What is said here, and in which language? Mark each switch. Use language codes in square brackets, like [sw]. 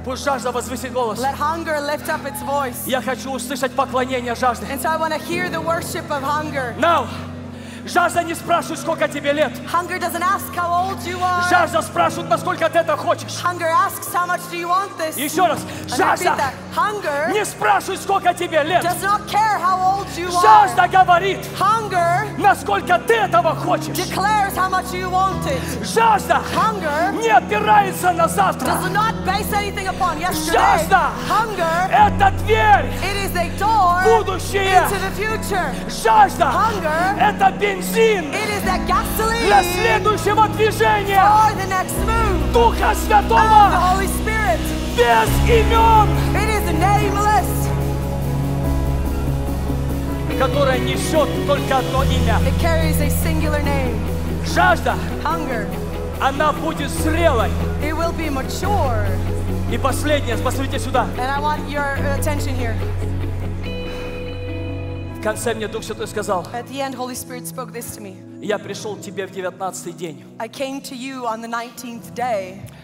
[ru] Пусть жажда возвысит голос. [en] Let hunger lift up its voice. [ru] Я хочу услышать поклонение жажды. [en] And so I want to hear the worship of hunger. Now. [ru] Жажда не спрашивает, сколько тебе лет. [en] Hunger doesn't ask how old you are. [ru] Жажда спрашивает, насколько ты это хочешь. [en] Hunger asks how much do you want this. [ru] Еще раз. Жажда [en] hunger [ru] не спрашивает, сколько тебе лет. [en] Does not care how old you are. [ru] Жажда говорит, [en] hunger [ru] насколько ты этого хочешь. [en] Declares how much you want it. [ru] Жажда [en] hunger [ru] не опирается на завтра. [en] Does not base anything upon yesterday. [ru] Жажда [en] hunger [ru] это дверь. [en] It is a door [ru] будущее. [en] Into the future. [ru] Жажда [en] hunger [ru] это бензин. [en] It is that gasoline [ru] для следующего движения. [en] For the next move. [ru] Духа Святого. [en] And the Holy Spirit. [ru] Без имен. [en] It is nameless. [ru] Которое несет только одно имя. [en] It carries a singular name. [ru] Жажда. [en] Hunger. [ru] Она будет зрелой. [en] It will be mature. [ru] И последнее, посмотрите сюда. [en] And I want your attention here. [ru] В конце мне Дух Святой сказал, [en] at the end, Holy Spirit spoke this to me. [ru] Я пришел к тебе в 19-й день. [en] I came to you on the 19th day.